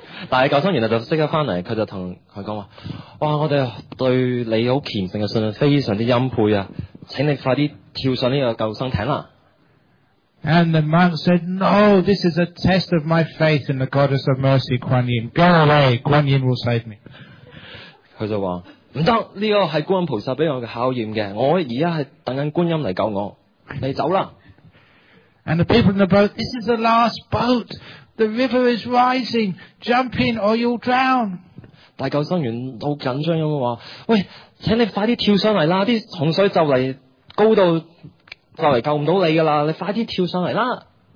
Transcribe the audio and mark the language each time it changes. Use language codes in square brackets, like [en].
[yue] 但係救生員就即刻翻嚟，佢就同佢講話：，哇！我哋對你好虔誠嘅信任非常之欽佩啊！请你快啲跳上呢个救生艇啦。 [en] And the monk said, "No, this is a test of my faith in the goddess of mercy, Kuan Yin. Go away, Kuan Yin will save me." [yue] 佢就话唔得，呢个系观音菩萨俾我嘅考验嘅，我而家系等紧观音嚟救我，你走啦。 [en] And the people in the boat, "This is the last boat. The river is rising. Jump in or you'll drown." [yue] 大救生员好紧张咁话：，喂！请你快啲跳上嚟啦！啲洪水就嚟高到就嚟救唔到你噶啦！你快啲跳上嚟啦